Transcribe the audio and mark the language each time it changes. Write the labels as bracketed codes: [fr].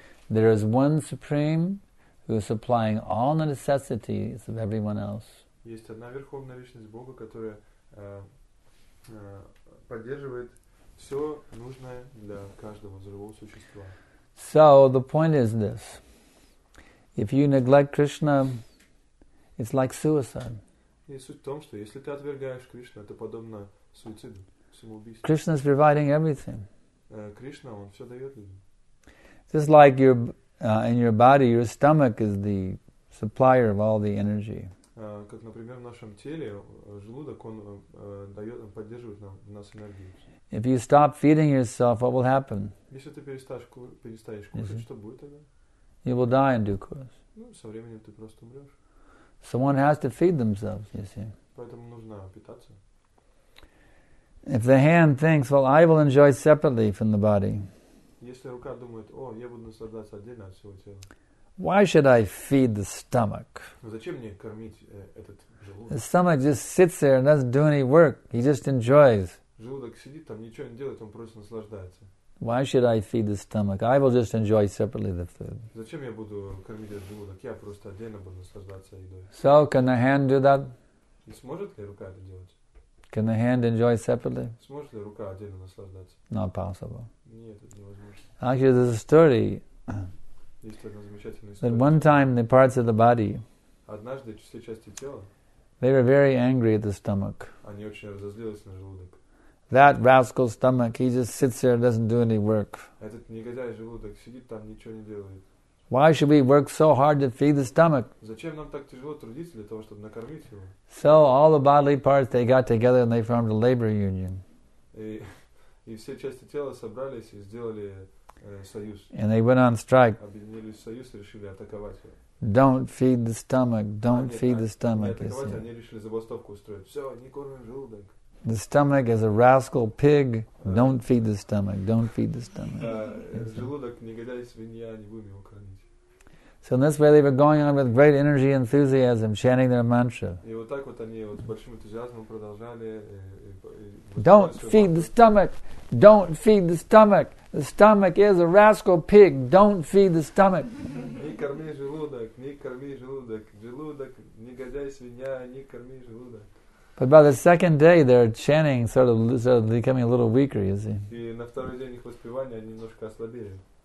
[en] There is one Supreme who is supplying all the necessities of everyone else. [ru] Есть одна верховная личность Бога, которая поддерживает все нужное для каждого живого существа. [en] So the point is this: if you neglect Krishna, it's like suicide. [ru] И суть в том, что если ты отвергаешь Кришну, это подобно суициду, самоубийству. [en] Krishna is providing everything. [ru] Кришна, он все дает людям. [en] Just like your in your body, your stomach is the supplier of all the energy. [ru] Как, например, в нашем теле желудок он дает, он поддерживает нам нас энергию. [en] If you stop feeding yourself, what will happen? [ru] Если ты перестаешь кушать, mm-hmm. что будет тогда? [en] You will die in due course. [ru] Ну, со временем ты просто умрешь. [en] Someone has to feed themselves, you see. [ru] Поэтому нужно питаться. [en] If the hand thinks, well, I will enjoy separately from the body. [ru] Если рука думает, о, я буду наслаждаться отдельно от всего тела. [en] Why should I feed the stomach? [ru] Зачем мне кормить этот желудок? [en] The stomach just sits there and doesn't do any work. He just enjoys. [ru] Желудок сидит там, ничего не делает, он просто наслаждается. [en] Why should I feed the stomach? I will just enjoy separately the food. [ru] Зачем я буду кормить этот желудок? Я просто отдельно буду наслаждаться едой. [en] So can the hand do that? [ru] И сможет ли рука это делать? [en] Can the hand enjoy separately? [ru] Сможет ли рука отдельно наслаждаться? [en] Not possible. [ru] Нет, это невозможно. [en] Actually, there's a story. [ru] Есть одна замечательная история. [en] That one time the parts of the body. [ru] Однажды все части тела. [en] They were very angry at the stomach. [ru] Они очень разозлились на желудок. [en] That rascal stomach, he just sits there and doesn't do any work. [ru] Этот негодяй желудок сидит там, ничего не делает. [en] Why should we work so hard to feed the stomach? [ru] Зачем нам так тяжело трудиться для того, чтобы накормить его? [en] So all the bodily parts, they got together and they formed a labor union. [ru] И все части тела собрались и сделали союз. [en] And they went on strike. [ru] Объединились в союз и решили атаковать его. [en] Don't feed the stomach, don't feed the stomach. [ru] Не атаковать, они решили забастовку устроить. Все, не кормим желудок. [en] The stomach is a rascal pig. Don't feed the stomach. Don't feed the stomach. [ru] Желудок негодяй свинья, не будем его кормить. [en] So in this way they were going on with great energy and enthusiasm, chanting their mantra. [ru] И вот так вот они вот с большим энтузиазмом продолжали. [en] Don't feed the stomach. Don't feed the stomach. The stomach is a rascal pig. Don't feed the stomach. [ru] Не корми желудок. Не корми желудок. Желудок негодяй свинья. Не корми желудок. [en] But by the second day, they're chanting, sort of becoming a little weaker, you see. [ru] И на второй день их воспевания они немножко ослабели.